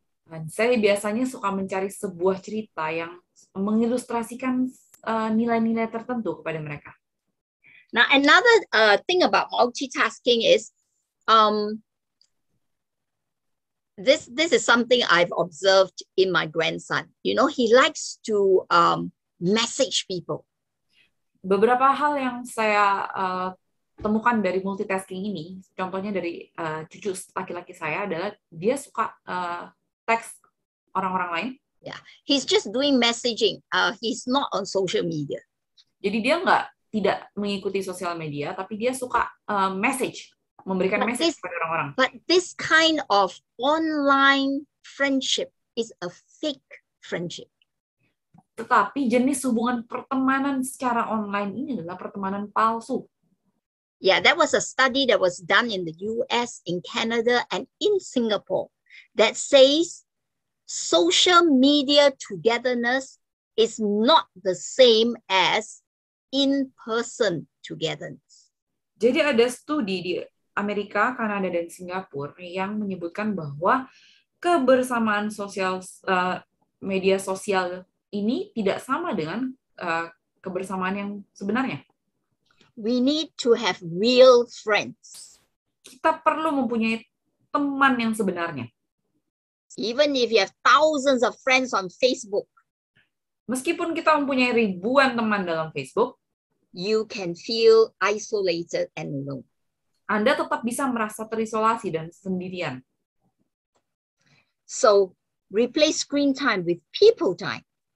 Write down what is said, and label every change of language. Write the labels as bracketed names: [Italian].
[Indonesian] Dan saya biasanya suka mencari sebuah cerita yang mengilustrasikan nilai-nilai tertentu kepada mereka. [English] Now another thing about multitasking is this is something I've observed in my grandson. You know, he likes to message people. [Indonesian] Beberapa hal yang saya temukan dari multitasking ini, contohnya dari cucu laki-laki saya adalah dia suka text orang-orang lain. [English] Yeah, he's just doing messaging. He's not on social media. [Indonesian] Jadi dia tidak mengikuti sosial media, tapi dia suka message, memberikan message kepada orang-orang. [English] But this kind of online friendship is a fake friendship. [Indonesian] Tetapi jenis hubungan pertemanan secara online ini adalah pertemanan palsu. [English] Yeah, that was a study that was done in the US, in Canada, and in Singapore that says social media togetherness is not the same as in-person togetherness. [Indonesian] Jadi ada studi di Amerika, Kanada, dan Singapura yang menyebutkan bahwa kebersamaan sosial media sosial ini tidak sama dengan kebersamaan yang sebenarnya. [English] We need to have real friends. [Indonesian] Kita perlu mempunyai teman yang sebenarnya. [English] Even if you have thousands of friends on Facebook, [Indonesian] meskipun kita mempunyai ribuan teman dalam Facebook, [English] you can feel isolated and alone. [Indonesian] Anda tetap bisa merasa terisolasi dan sendirian. [English] So, replace screen time with people time.